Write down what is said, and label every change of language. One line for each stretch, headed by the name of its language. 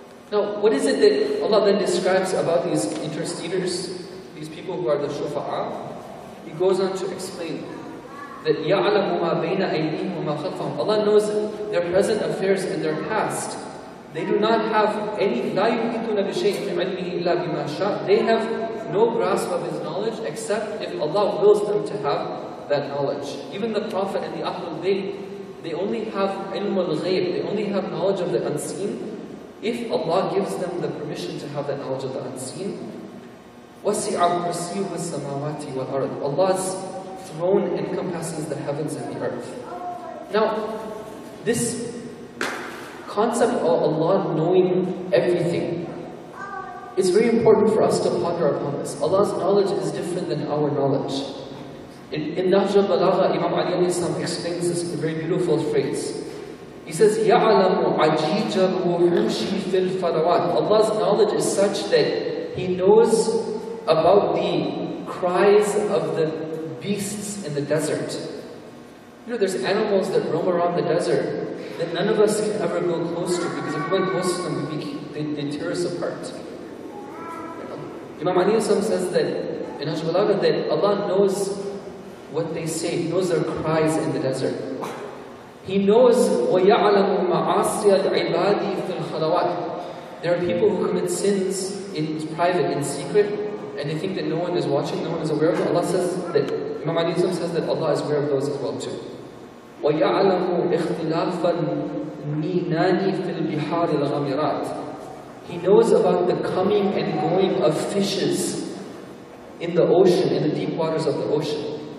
English: Now, what is it that Allah then describes about these interceders? These people who are the shufa'a, He goes on to explain that
Arabic: يَعْلَمُ مَا بَيْنَ أَيْدِيهِمْ وَمَا خَلْفَهُمْ.
English: Allah knows their present affairs and their past. They do not have any
Arabic: لَا يُحِيطُونَ بِشَيْءٍ مِنْ عِلْمِهِ إِلَّا بِمَا شَاءَ.
English: They have no grasp of His knowledge except if Allah wills them to have that knowledge. Even the Prophet and the Ahlul Bayt, they only have ilmul ghayb, they only have knowledge of the unseen if Allah gives them the permission to have that knowledge of the unseen.
Arabic: وَسِعَ كُرْسِيُّهُ السَّمَاوَاتِ وَالْأَرْضِ.
English: Allah's throne encompasses the heavens and the earth. Now, this concept of Allah knowing everything is very important for us to ponder upon this. Allah's knowledge is different than our knowledge. In Nahj al-Balagha, Imam Ali alayhi salam explains this in a very beautiful phrase. He says,
Arabic: يَعْلَمُ عَجِيجَ الْوُحُوشِ فِي الْفَرَوَاتِ.
English: Allah's knowledge is such that He knows about the cries of the beasts in the desert. You know, there's animals that roam around the desert that none of us can ever go close to, because if we went close to them, they tear us apart. Imam Ali says that in Hajj al-Awda that Allah knows what they say. He knows their cries in the desert. He knows
Arabic: وَيَعْلَمُ مَعَاصِيَ الْعِبَادِ فِي الْخَلَوَاتِ.
English: There are people who commit sins in private, in secret, and they think that no one is watching, no one is aware of it. Allah says that, Imam Ali says that Allah is aware of those as well too.
Arabic: وَيَعْلَمُ اِخْتِلَافَ النِّينَانِ فِي الْبِحَارِ الْغَمِرَاتِ.
English: He knows about the coming and going of fishes in the ocean, in the deep waters of the ocean.